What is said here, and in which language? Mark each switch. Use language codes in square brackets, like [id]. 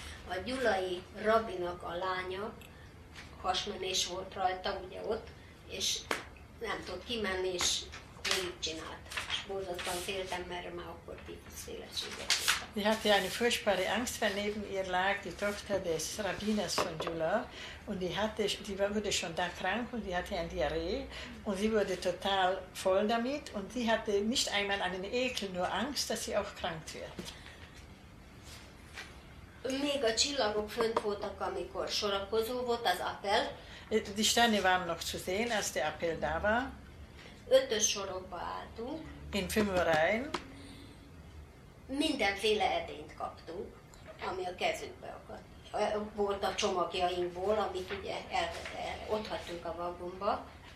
[hu] A Gyulai rabinak a lánya hasmenés volt rajta, ugye ott, és nem tudott kimenni, és mit csinált. És borzottan féltem, mert már akkor tipus féleséget. [de] Sie hatte eine furchtbare Angst, weil neben ihr lag die Tochter des Rabbiners von Jula, und die wurde schon da krank, und die hatte eine Diarrhee, und sie wurde total voll damit, und sie hatte nicht einmal einen Ekel, nur Angst, dass sie auch krank wird. [hu] Még a csillagok fönt voltak, amikor sorakozó volt az Appell. [de] Die Sterne waren noch zu sehen, als der Appell da war. [hu] Ötös sorokba álltunk. [de] In fünf Reihen. [hu] Mindenféle edényt kaptunk, ami a kezünkbe akadt. Volt a csomagjainkból, amit ugye ott hagytunk a vagonba.